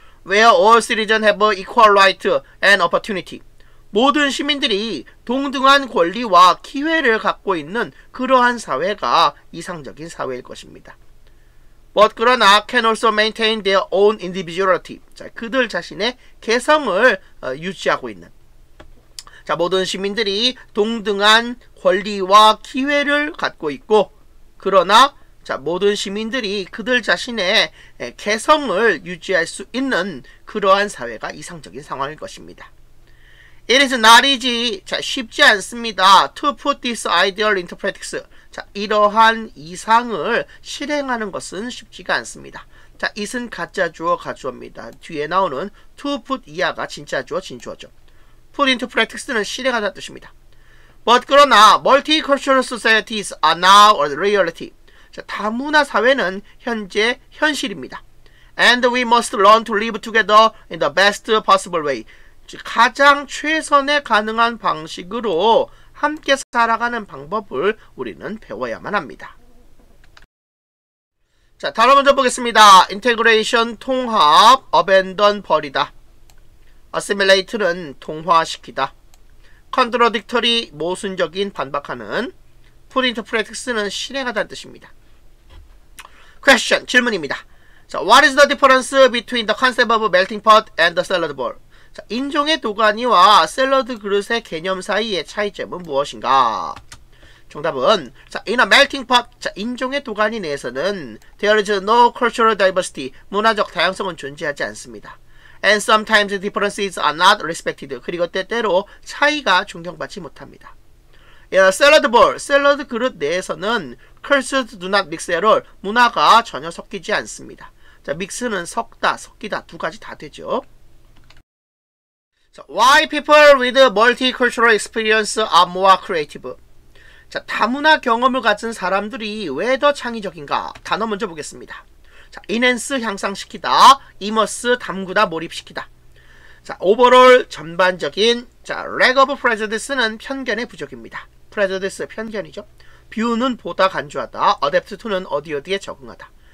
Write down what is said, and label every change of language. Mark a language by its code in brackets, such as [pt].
[en] Where all citizens have equal right and opportunity. [ko] 모든 시민들이 동등한 권리와 기회를 갖고 있는 그러한 사회가 이상적인 사회일 것입니다. [en] But [ko] 그러나 [en] can also maintain their own individuality. [ko] 자, 그들 자신의 개성을 유지하고 있는. 자, 모든 시민들이 동등한 권리와 기회를 갖고 있고, 그러나 자, 모든 시민들이 그들 자신의 개성을 유지할 수 있는 그러한 사회가 이상적인 상황일 것입니다. [en] It is not easy. [ko] 자, 쉽지 않습니다. [en] To put this ideal into practice. [ko] 자, 이러한 이상을 실행하는 것은 쉽지가 않습니다. 자, it은 가짜 주어, 가주어입니다. 뒤에 나오는 to put 이하가 진짜 주어, 진주어죠. [en] Put into practice [ko] 는 실행하다는 뜻입니다. [en] But [ko] 그러나 [en] multicultural societies are now a reality. [ko] 자, 다문화 사회는 현재 현실입니다. [en] And we must learn to live together in the best possible way. [ko] 가장 최선의 가능한 방식으로 함께 살아가는 방법을 우리는 배워야만 합니다. 자, 단어 먼저 보겠습니다. Integration, 통합, abandon, 버리다. Assimilate는 동화시키다. Contradictory, 모순적인, 반박하는. [en] Put into practice [ko] 는 실행하다는 뜻입니다. Question, 질문입니다. [en] 자, what is the difference between the concept of melting pot and the salad bowl? [ko] 자, 인종의 도가니와 샐러드 그릇의 개념 사이의 차이점은 무엇인가? [en] 정답은 자, in a melting pot, [ko] 자, 인종의 도가니 내에서는 [en] there is no cultural diversity, [ko] 문화적 다양성은 존재하지 않습니다. [en] And sometimes differences are not respected, [ko] 그리고 때때로 차이가 존경받지 못합니다. [en] In a salad bowl, [ko] 샐러드 그릇 내에서는 [en] cultures do not mix at all, [ko] 문화가 전혀 섞이지 않습니다. 자, mix는 섞다, 섞이다 두 가지 다 되죠. [en] Why people with multicultural experience are more creative? [ko] 자, 다문화 경험을 가진 사람들이 왜 더 창의적인가? 단어 먼저 보겠습니다. 자, enhance 향상시키다, immerse 담그다, 몰입시키다. 자, overall 전반적인, 자, lack of prejudice는 편견의 부족입니다. Prejudice 편견이죠. View는 보다 간주하다, adapt to는 어디 어디에 적응하다.